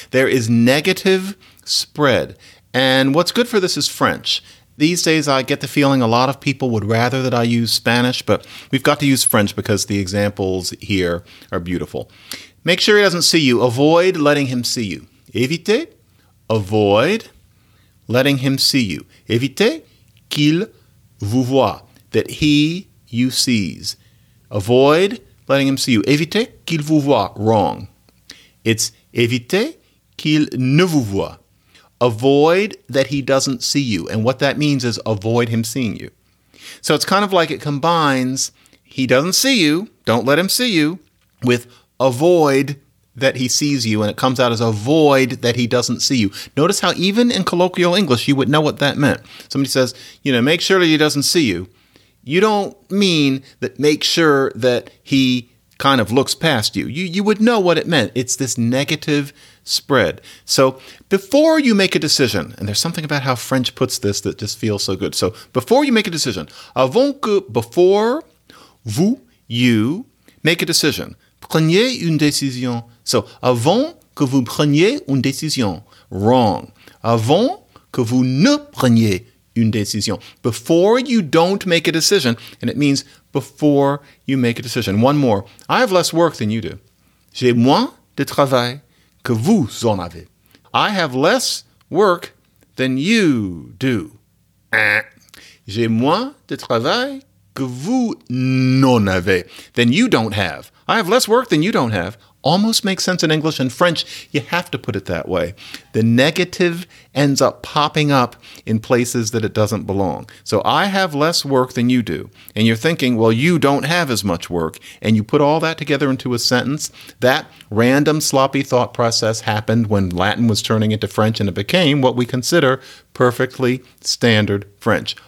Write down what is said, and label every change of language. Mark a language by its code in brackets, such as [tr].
[en] There is negative spread, and what's good for this is French. These days, I get the feeling a lot of people would rather that I use Spanish, but we've got to use French because the examples here are beautiful. Make sure he doesn't see you. Avoid letting him see you. Éviter, avoid letting him see you. [fr] Éviter qu'il vous voit, [en] that he you sees. Avoid letting him see you. [fr] Éviter qu'il vous voit, [en] wrong. It's [fr] éviter qu'il ne vous voit. [en] Avoid that he doesn't see you. And what that means is avoid him seeing you. So it's kind of like it combines he doesn't see you, don't let him see you, with avoid that he sees you, and it comes out as avoid that he doesn't see you. Notice how even in colloquial English, you would know what that meant. Somebody says, you know, make sure that he doesn't see you. You don't mean that make sure that he kind of looks past you. You would know what it meant. It's this negative spread. So before you make a decision, and there's something about how French puts this that just feels so good. So before you make a decision, [fr] avant que, [en] before vous, you, make a decision. [fr] Prenez une décision. So avant que vous preniez une décision, [en] wrong. [fr] Avant que vous ne preniez une décision. [en] Before you don't make a decision, and it means before you make a decision. One more. I have less work than you do. [fr] J'ai moins de travail que vous en avez. [en] I have less work than you do. [fr] J'ai moins de travail que vous n'en avez. [en] Than you don't have. I have less work than you don't have. Almost makes sense in English and French. You have to put it that way. The negative ends up popping up in places that it doesn't belong. So I have less work than you do. And you're thinking, well, you don't have as much work. And you put all that together into a sentence. That random sloppy thought process happened when Latin was turning into French, and it became what we consider perfectly standard French.